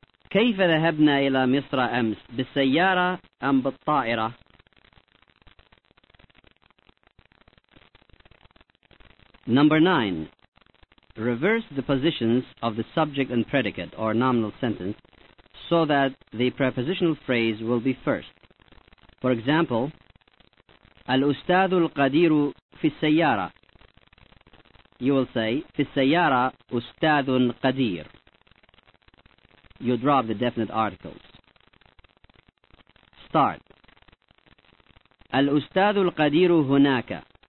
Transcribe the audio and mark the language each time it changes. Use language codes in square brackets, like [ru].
[ar] كيف ذهبنا إلى مصر أمس بالسيارة أم بالطائرة؟ [en] Number 9. Reverse the positions of the subject and predicate or nominal sentence so that the prepositional phrase will be first. For example, [ar] الأستاذ القدير في السيارة. [en] You will say [ar] في السيارة أستاذ قدير. [en] You drop the definite articles. Start. [ar] الأستاذ القدير هناك.